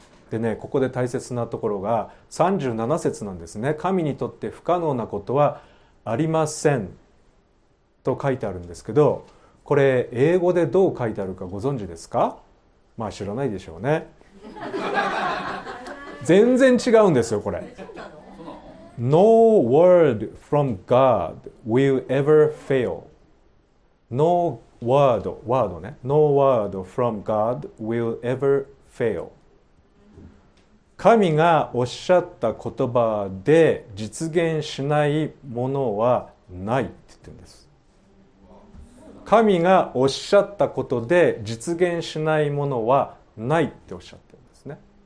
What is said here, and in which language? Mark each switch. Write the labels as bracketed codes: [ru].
[ja] でね、ここで大切なところが37節なんですね。神にとって不可能なことはありませんと書いてあるんですけど、これ英語でどう書いてあるかご存知ですか？まあ知らないでしょうね。全然違うんですよこれ。 [en] No word from God will ever fail. No word, word ね。No word from God will ever fail. [ja] 神がおっしゃった言葉で実現しないものはないって言ってるんです。神がおっしゃったことで実現しないものはないっておっしゃってるんですね。